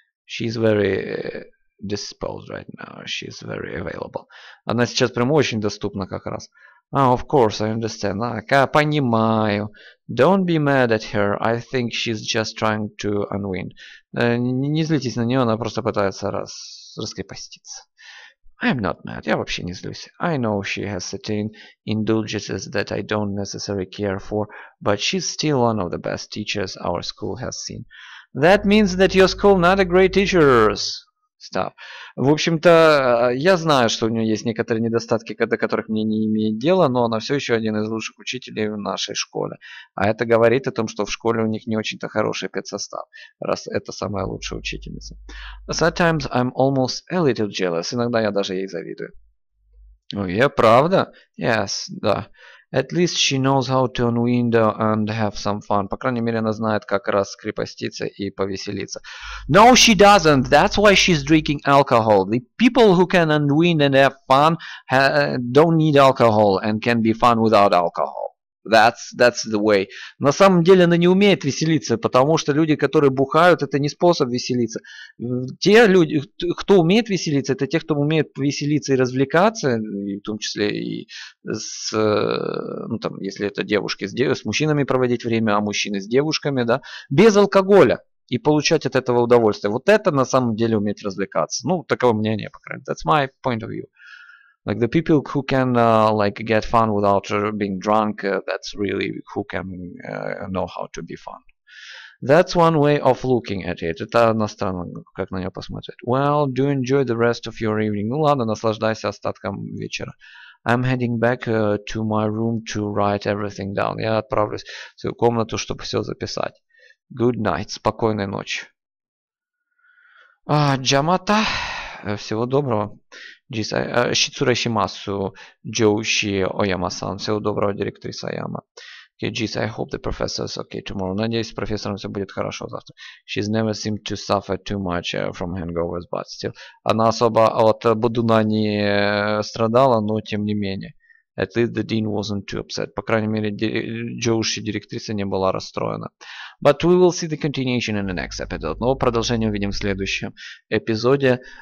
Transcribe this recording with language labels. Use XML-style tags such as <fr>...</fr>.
<en>She's very... disposed right now. She's very available.</en> <ru>Она сейчас прямо очень доступна как раз.</ru> <en>Ah, of course, I understand.</en> <ru>Я понимаю.</ru> <en>Don't be mad at her. I think she's just trying to unwind.</en> <ru>Не злитесь на нее, она просто пытается раскрепоститься.</ru> <en>I'm not mad.</en> <ru>Я вообще не злюсь.</ru> <en>I know she has certain indulgences that I don't necessarily care for, but she's still one of the best teachers our school has seen. That means that your school not a great teachers. Став.</en> <ru>В общем-то, я знаю, что у нее есть некоторые недостатки, до которых мне не имеет дела, но она все еще один из лучших учителей в нашей школе. А это говорит о том, что в школе у них не очень-то хороший педсостав, раз это самая лучшая учительница.</ru> <en>Sometimes I'm almost a little jealous.</en> <ru>Иногда я даже ей завидую. Ну, я правда? Yes, да.</ru> <en>At least she knows how to unwind and have some fun.</en> <ru>По крайней мере, она знает, как раскрепоститься и повеселиться.</ru> <en>No, she doesn't. That's why she's drinking alcohol. The people who can unwind and have fun don't need alcohol and can be fun without alcohol. That's the way.</en> <ru>На самом деле она не умеет веселиться, потому что люди, которые бухают, это не способ веселиться. Те люди, кто умеет веселиться, это те, кто умеет веселиться и развлекаться, и в том числе и с, ну, там, если это девушки, с мужчинами проводить время, а мужчины с девушками, да, без алкоголя и получать от этого удовольствие. Вот это на самом деле уметь развлекаться. Ну, таково мнение, по крайней мере.</ru> <en>That's my point of view. Like the people who can get fun without being drunk, that's really who can know how to be fun. That's one way of looking at it.</en> <ru>Это одна сторона, как на нее посмотреть.</ru> <en>Well, do enjoy the rest of your evening.</en> <ru>Ну ладно, наслаждайся остатком вечера.</ru> <en>I'm heading back to my room to write everything down.</en> <ru>Я отправлюсь в свою комнату, чтобы все записать.</ru> <en>Good night.</en> <ru>Спокойной ночи.</ru> <ja>Джамата.</ja> <ru>Всего доброго.</ru> <ja>Шицура Шимасу, Джоуши Ояма-сан.</ja> <ru>Всего доброго, директриса Ояма.</ru> <en>Okay, geez, I hope the professor is okay tomorrow.</en> <ru>Надеюсь, с профессором все будет хорошо завтра.</ru> <en>She's never seemed to suffer too much from hangovers, but still.</en> <ru>Она особо от бодуна не страдала, но тем не менее.</ru> <en>At least the dean wasn't too upset.</en> <ru>По крайней мере, Джоуши, директриса, не была расстроена.</ru> <en>But we will see the continuation in the next episode.</en> <ru>Но продолжение увидим в следующем эпизоде.</ru>